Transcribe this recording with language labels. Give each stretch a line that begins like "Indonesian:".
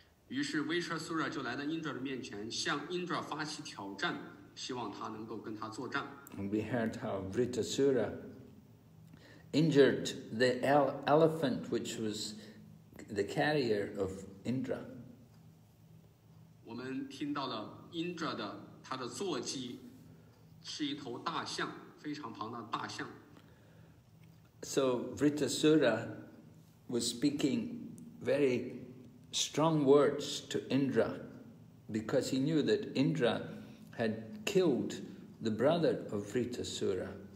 English: And we heard how Vritasura injured the elephant, which was the carrier of Indra.
Chinese: 我们听到了Indra的他的坐骑 是一头大象，非常庞大的大象。
English: So Vritasura was speaking very strong words to Indra because he knew that Indra had killed the brother of Vritasura.